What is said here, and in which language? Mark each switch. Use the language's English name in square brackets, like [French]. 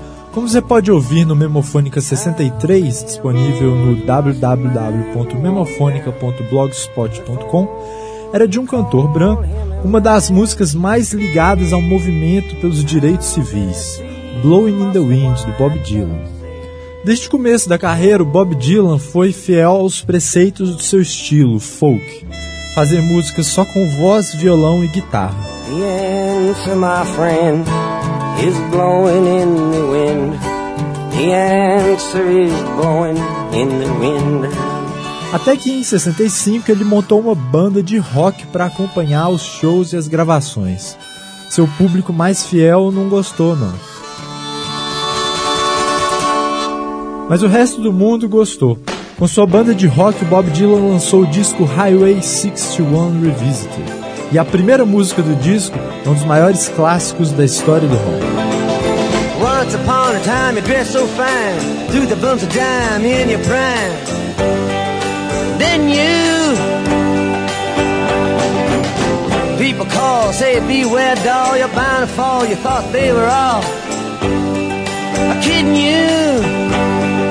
[Portuguese] Como você pode ouvir no Memofônica 63, disponível no www.memofonica.blogspot.com, era de um cantor branco, uma das músicas mais ligadas ao movimento pelos direitos civis, Blowing in the Wind, do Bob Dylan. Desde o começo da carreira, o Bob Dylan foi fiel aos preceitos do seu estilo, folk, fazer música só com voz, violão e guitarra. [English] The answer, my friend, is blowing in the wind. The answer is blowing in the wind. [Portuguese] Até que em 65 ele montou uma banda de rock para acompanhar os shows e as gravações. Seu público mais fiel não gostou, não. Mas o resto do mundo gostou. Com sua banda de rock, Bob Dylan lançou o disco Highway 61 Revisited. E a primeira música do disco é um dos maiores clássicos da história do rock. [English] Once upon a time you dressed so fine, through the bumps of dime in your prime. Then you, people call, say beware doll, you're bound to fall, you thought they were all kidding you.